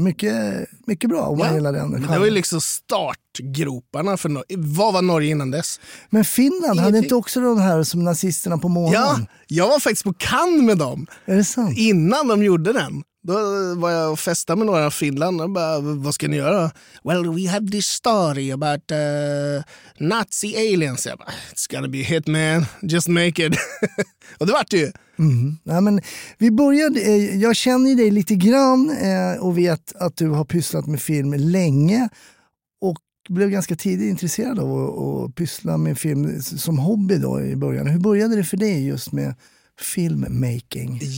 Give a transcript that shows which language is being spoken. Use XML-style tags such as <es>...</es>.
<sv>Mycket, mycket bra om man gillar den. Det var ju liksom startgroparna för vad var Norge innan dess? Men Finland hade inte också de här som nazisterna på månen? Ja, jag var faktiskt på Cannes med dem. Är det sant? Innan de gjorde den. Då var jag och festade med några finländare och bara, vad ska ni göra?</sv> <en>Well, we have this story about Nazi aliens.</en> <sv>Jag bara,</sv> <en>it's gonna be hit man, just make it.</en> <sv>Och det vart det ju. Mm. Ja, men vi började, jag känner dig lite grann och vet att du har pysslat med film länge. Och blev ganska tidigt intresserad av att pyssla med film som hobby då i början. Hur började det för dig just med...</sv> <en>filmmaking?</en>